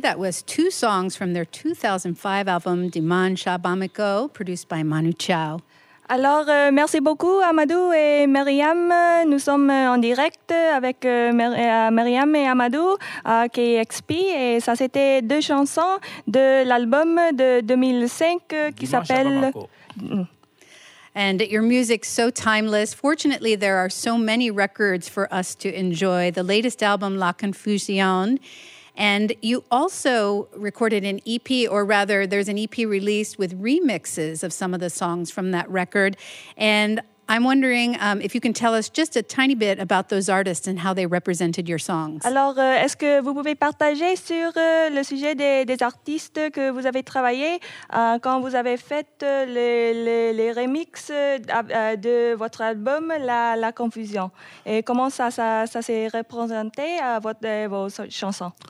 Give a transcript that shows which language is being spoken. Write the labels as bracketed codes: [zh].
[en] That was two songs from their 2005 album, Diman Shabamiko, produced by Manu Chao. [fr] Alors, merci beaucoup Amadou et Myriam. Nous sommes en direct avec Myriam et Amadou à KXP. Et ça, c'était deux chansons de l'album de 2005 qui s'appelle... [en] And your music's so timeless. Fortunately, there are so many records for us to enjoy. The latest album, La Confusion. And you also recorded an EP, or rather, there's an EP released with remixes of some of the songs from that record. And I'm wondering if you can tell us just a tiny bit about those artists and how they represented your songs. [fr] Alors, est-ce que vous pouvez partager sur le sujet des artistes que vous avez travaillé quand vous avez fait les remixes de votre album La Confusion? Et comment ça s'est représenté à vos chansons?